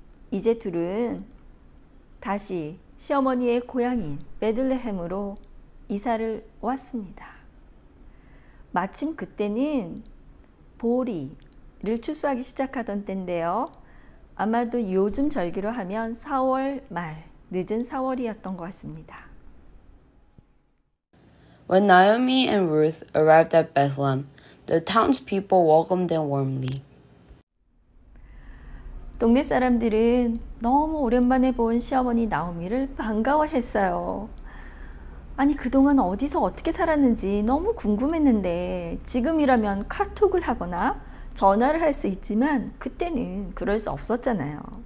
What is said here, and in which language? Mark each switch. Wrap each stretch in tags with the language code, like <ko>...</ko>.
<ko>이제 둘은 다시 시어머니의 고향인 베들레헴으로 이사를 왔습니다. 마침 그때는 보리를 추수하기 시작하던 때인데요. 아마도 요즘 절기로 하면 4월 말, 늦은 4월이었던 것 같습니다.</ko> <en>When Naomi and Ruth arrived at Bethlehem, the townspeople welcomed them warmly.</en> <ko>동네 사람들은 너무 오랜만에 본 시어머니 나오미를 반가워했어요. 아니 그동안 어디서 어떻게 살았는지 너무 궁금했는데 지금이라면 카톡을 하거나 전화를 할 수 있지만 그때는 그럴 수 없었잖아요.</ko>